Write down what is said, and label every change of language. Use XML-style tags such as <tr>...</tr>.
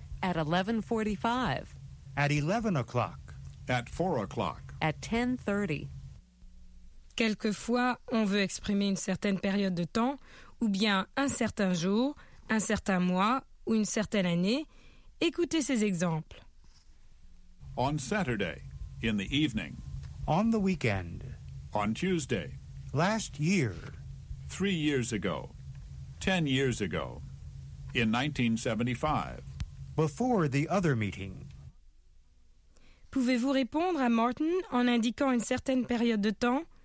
<en>At 11:45. At 11 o'clock. At 4 o'clock. At 10:30.</en> <fr>Quelquefois, on veut exprimer une certaine période de temps, ou bien un certain jour, un certain mois, ou une certaine année. Écoutez ces exemples.</fr> <en>On Saturday, in the evening. On the weekend. On Tuesday. Last year. 3 years ago, 10 years ago, in 1975. Before the other meeting.</en> <fr>Pouvez-vous répondre à Martin en indiquant une certaine période de temps?</fr>